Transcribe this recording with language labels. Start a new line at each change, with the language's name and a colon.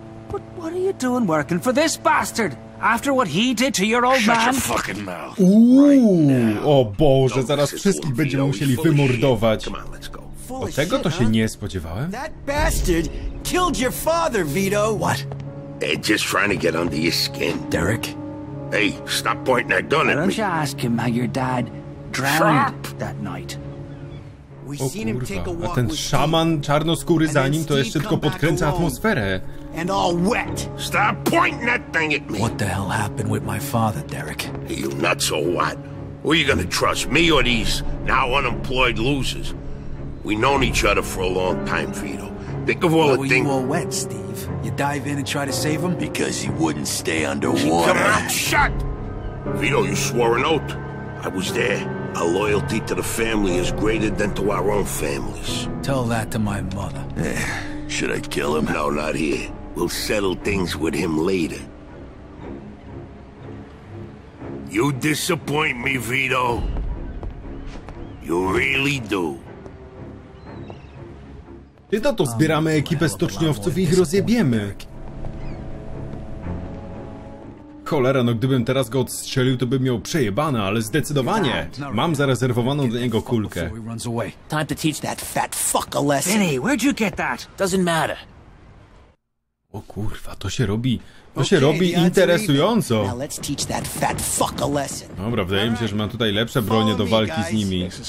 English: But what are you doing working for this bastard? After what he did to your old man? Shut your fucking mouth. Ooh, right now.
Polish: O Boże, zaraz wszystkich będziemy musieli wymordować. O tego to się nie spodziewałem.
English: That bastard killed your father, Vito. What? Hey, just trying to get under your skin. Derek? Hey, stop pointing that gun at me. Why don't you ask him how your dad drowned that night?
Polish: O kurwa, a ten szaman czarnoskóry za nim to jeszcze tylko podkręca atmosferę.
English: Stop pointing that thing at me. What the hell happened with my father, Derek? You nuts or what? Who are you gonna trust, me or these now unemployed losers? We known each other for a long time, Vito. Think of all the things. You all wet, Steve. You dive in and try to save him? Because he wouldn't stay underwater. Come on, shut! Vito, you swore an oath. I was there. A loyalty to the family is greater than to our own families. Tell that to my mother. Should I kill him? No, not here. We'll settle things with him later. You disappoint me, Vito. You really do.
Polish: Ty to zbieramy ekipę stoczniowców i ich rozjebiemy. Cholera, no gdybym teraz go odstrzelił, to bym miał przejebane, ale zdecydowanie mam zarezerwowaną dla niego kulkę.
English: Time to teach that fat fuck a lesson. Vinny, where'd you get that? Doesn't matter.
Polish: O kurwa, to się robi. To się robi interesująco.
English: Now let's teach that fat fuck a lesson.
Polish: Dobra, wydaje mi się, że mam tutaj lepsze bronie do walki z nimi.